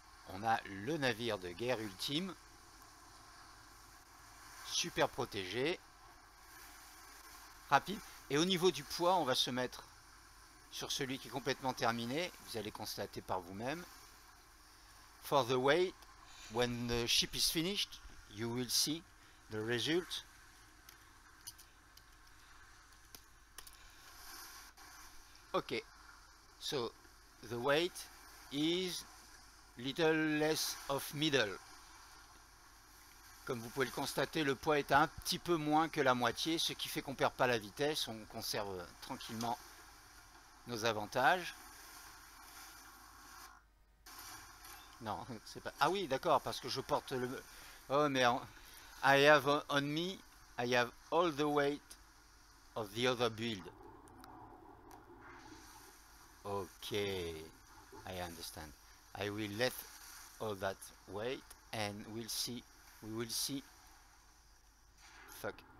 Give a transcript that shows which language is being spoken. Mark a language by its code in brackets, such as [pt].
[fr] On a le navire de guerre ultime. Super protégé. Rapide. Et au niveau du poids, on va se mettre sur celui qui est complètement terminé. Vous allez constater par vous-même. [en] For the weight, when the ship is finished, you will see the result. Ok, so the weight is little less of middle. [fr] Comme vous pouvez le constater, le poids est un petit peu moins que la moitié, ce qui fait qu'on ne perd pas la vitesse, on conserve tranquillement nos avantages. Non, c'est pas. Ah oui, d'accord, parce que je porte le. Oh merde. [en] I have all the weight of the other build. Ok, I understand. I will let all that weight and we will see. Fuck.